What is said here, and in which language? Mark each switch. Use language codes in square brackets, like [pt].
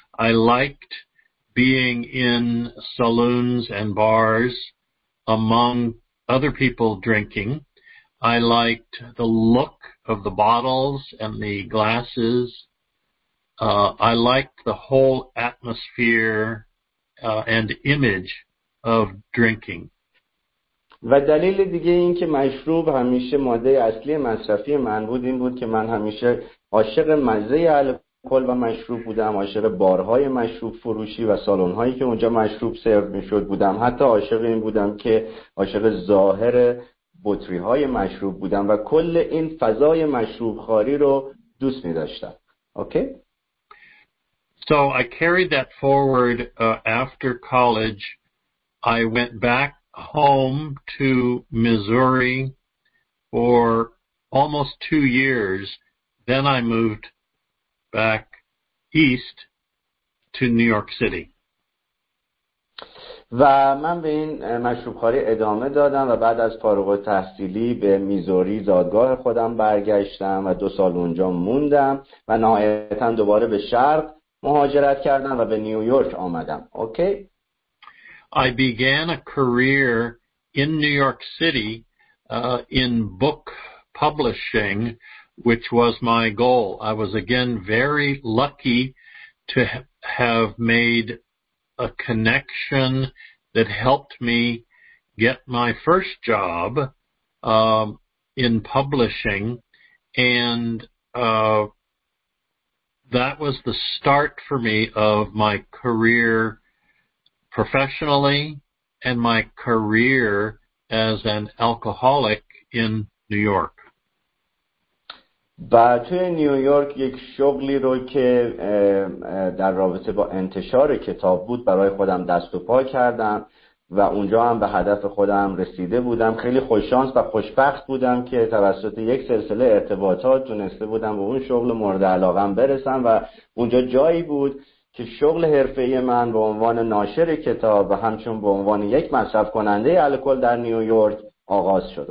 [en] I liked being in saloons and bars among other people drinking. I liked the look of the bottles and the glasses. I liked the whole atmosphere and image of drinking. [fa] و دلیل دیگه این که مشروب همیشه ماده اصلی مصرفی من بود این بود که من همیشه عاشق مزه الکل و مشروب بودم، عاشق بارهای مشروب فروشی و سالن‌هایی که اونجا مشروب سرو می‌شد بودم، حتی عاشق این بودم که عاشق ظاهر بطری‌های مشروب بودم و کل این فضای مشروب‌خواری رو دوست می‌داشتم. اوکی؟ [en] So I carried that forward after college. I went back home to Missouri for almost 2 years. Then I moved back east to New York City. [fa] و من به این مشروبخواری ادامه دادم و بعد از فارغ التحصیلی به میزوری زادگاه خودم برگشتم و 2 سال اونجا موندم و نهایتا دوباره به شرق مهاجرت کردم و به نیویورک آمدم. اوکی؟ [en] I began a career in New York City in book publishing, which was my goal. I was again very lucky to have made a connection that helped me get my first job in publishing, and that was the start for me of my career professionally and my career as an alcoholic in New York. [fa] و توی نیویورک یک شغلی رو که در رابطه با انتشار کتاب بود برای خودم دست و پا کردم و اونجا هم به هدف خودم رسیده بودم. خیلی خوششانس و خوشبخت بودم که توسط یک سلسله ارتباطات تونسته بودم به اون شغل مورد علاقه‌ام برسم و اونجا جایی بود که شغل حرفه‌ای من به عنوان ناشر کتاب و همچنین به عنوان یک مصرف کننده الکل در نیویورک آغاز شد.